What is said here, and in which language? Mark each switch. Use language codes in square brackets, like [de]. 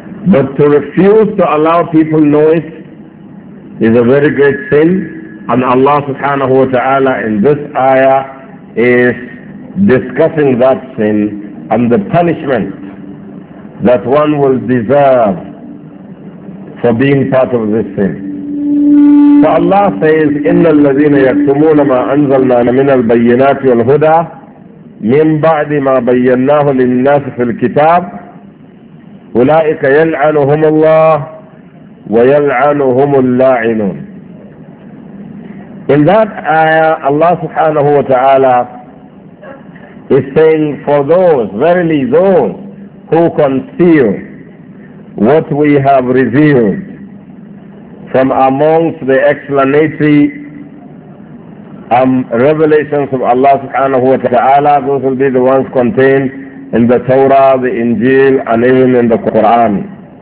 [en] But to refuse to allow people know it is a very great sin, and Allah subhanahu wa ta'ala in this ayah is discussing that sin and the punishment that one will deserve for being part of this sin. So Allah says, [ar] إِنَّ الَّذِينَ يَكْتُمُونَ مَا أَنزَلْنَا مِنَ الْبَيِّنَاتِ وَالْهُدَى مِنْ بَعْدِ مَا بَيَّنَّاهُ لِلنَّاسِ فِي الْكِتَابِ أولئك يلعنهم الله ويلعنهم اللاعنون. [en] In that ayah, Allah subhanahu wa ta'ala is saying, for those, verily those who conceal what we have revealed from amongst the explanatory revelations of Allah subhanahu wa ta'ala, those will be the ones contained in the Torah, the Injil, and even in the Quran.